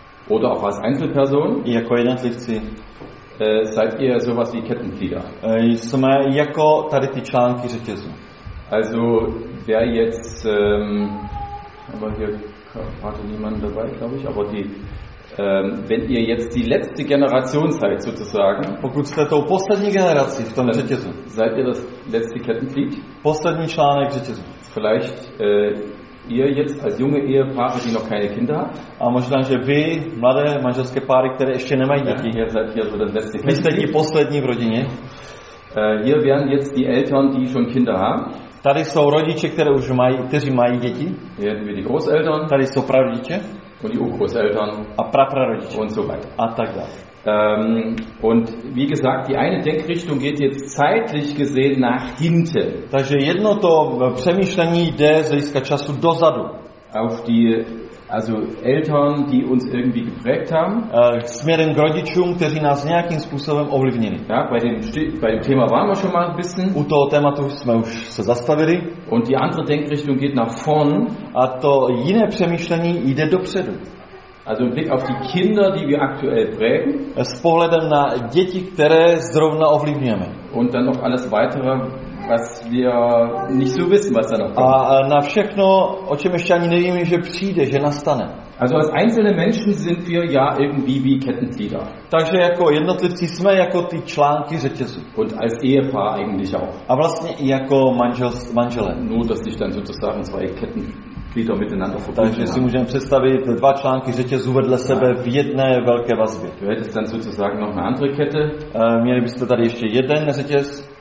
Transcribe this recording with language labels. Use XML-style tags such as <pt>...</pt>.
<de>oder auch als Einzelperson,</de> <cs>jako jednotlivci,</cs> <de>seid ihr sowas wie Kettenglieder.</de> <cs>Jsme jako tady ty články řetězu.</cs> <de>Also, wer jetzt, aber hier hatte niemand dabei, glaube ich, aber die, wenn ihr jetzt die letzte Generation seid, sozusagen,</de> <cs>pokud jste tou poslední generací v tom řetězu,</cs> <de>seid ihr das letzte Kettenglied?</de> <cs>Poslední článek řetězu.</cs> <de>Vielleicht, ihr jetzt als junge Ehepaare, die noch keine Kinder haben.</de> <cs>A možná, že vy, mladé manželské páry, které ještě nemají děti.</cs> <de>Ihr seid hier so das letzte</de> <cs>Kind. Vy jste ti poslední v rodině.</cs> <de>Hier wären jetzt die Eltern, die schon Kinder haben.</de> <cs>Tady jsou rodiče, které už mají, kteří mají děti.</cs> <de>Hier hätten wir die Großeltern.</de> <cs>Tady jsou prarodiče.</cs> <de>Und die Urgroßeltern.</de> <cs>A praprarodiče.</cs> <de>Und so weiter.</de> <cs>A tak dále.</cs> <de>Und wie gesagt, die eine Denkrichtung geht jetzt zeitlich gesehen nach hinten.</de> <cs>Takže jedno to přemýšlení jde z hlediska času dozadu.</cs> <de>Auf die Also Eltern, die uns irgendwie geprägt haben.</de> <cs>Směrem k rodičům, kteří nás nějakým způsobem ovlivnili.</cs> <de>Ja, bei dem Thema waren wir schon mal ein bisschen.</de> <cs>U toho tématu jsme už se zastavili.</cs> <de>Und die andere Denkrichtung geht nach vorn.</de> <cs>A to jiné přemýšlení jde dopředu.</cs> <de>Also Blick auf die Kinder, die wir aktuell prägen.</de> <cs>S pohledem na děti, které zrovna ovlivňujeme.</cs> <de>Und dann noch alles weitere, was wir nicht so wissen, was da noch kommt.</de> <cs>A na všechno, o čem ještě ani nevíme, že přijde, že nastane.</cs> <de>Also als einzelne Menschen sind wir ja irgendwie wie Kettenglieder.</de> <cs>Takže jako jednotlivci jsme jako ty články řetězu.</cs> <de>Und als Ehepaar eigentlich auch.</de> <cs>A vlastně i jako manžele.</cs> <de>Nur, dass sich dann sozusagen zwei Kettenglieder miteinander verbinden.</de> <cs>Takže si můžeme představit dva články řetězu vedle sebe v jedné velké vazbě.</cs> <de>Du hättest dann sozusagen noch eine andere Kette.</de> <cs>Měli byste tady ještě jeden řetěz.</cs>